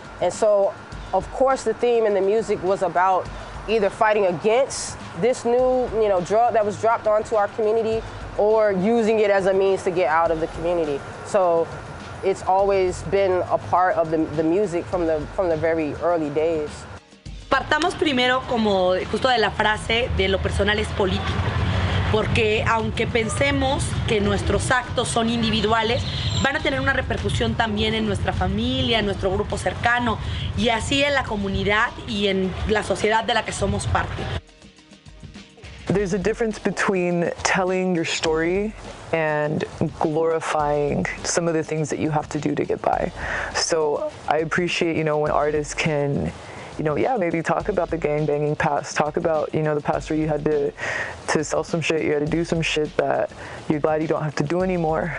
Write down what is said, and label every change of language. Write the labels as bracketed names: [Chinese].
[English] And so, of course, the theme in the music was about either fighting against this new, you know, drug that was dropped onto our community or using it as a means to get out of the community. So it's always been a part of the music from the very early days. [Spanish] Partamos primero como justo de la frase de lo personal es político, porque aunque pensemos que nuestros actos son individuales, van a tener una repercusión también en nuestra familia, en nuestro grupo cercano, y así en la comunidad y en la sociedad de la que somos parte. [English] There's a difference between telling your story and glorifying some of the things that you have to do to get by. So I appreciate, you know, when artists can, you know, yeah, maybe talk about the gangbanging past, talk about, you know, the past where you had to sell some shit, you had to do some shit that you're glad you don't have to do anymore.